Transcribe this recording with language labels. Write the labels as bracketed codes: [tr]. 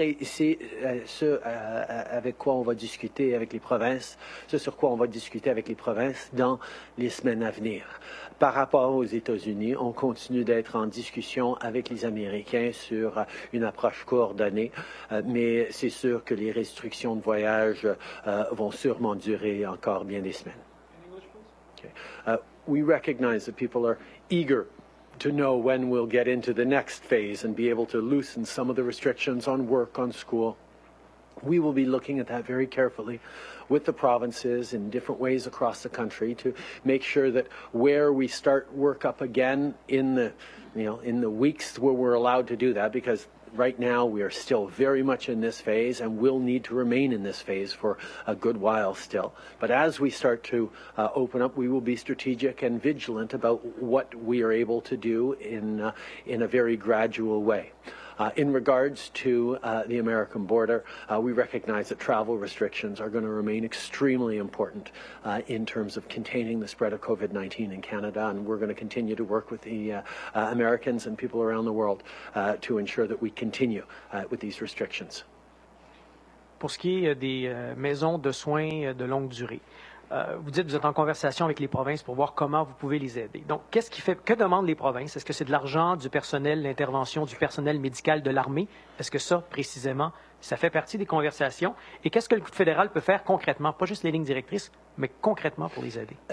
[fr] Et c'est ce avec quoi on va discuter avec les provinces, ce sur quoi on va discuter avec les provinces dans les semaines à venir. Par rapport aux États-Unis, on continue d'être en discussion avec les Américains sur une approche coordonnée, mais c'est sûr que les restrictions de voyage vont sûrement durer encore bien des semaines. [en] We recognize that people are eager to know when we'll get into the next phase and be able to loosen some of the restrictions on work, on school. We will be looking at that very carefully with the provinces in different ways across the country to make sure that where we start work up again in the, you know, in the weeks where we're allowed to do that, because right now we are still very much in this phase and will need to remain in this phase for a good while still. But as we start to open up, we will be strategic and vigilant about what we are able to do in a very gradual way. In regards to the American border, we recognize that travel restrictions are going to remain extremely important in terms of containing the spread of COVID-19 in Canada, and we're going to continue to work with the Americans and people around the world to ensure that we continue with these restrictions. [fr] Pour ce qui est des maisons de soins de longue durée, vous dites que vous êtes en conversation avec les provinces pour voir comment vous pouvez les aider. Donc, que demandent les provinces? Est-ce que c'est de l'argent, du personnel, l'intervention du personnel médical de l'armée? Est-ce que ça, précisément, ça fait partie des conversations? Et qu'est-ce que le fédéral peut faire concrètement, pas juste les lignes directrices, mais concrètement pour les aider?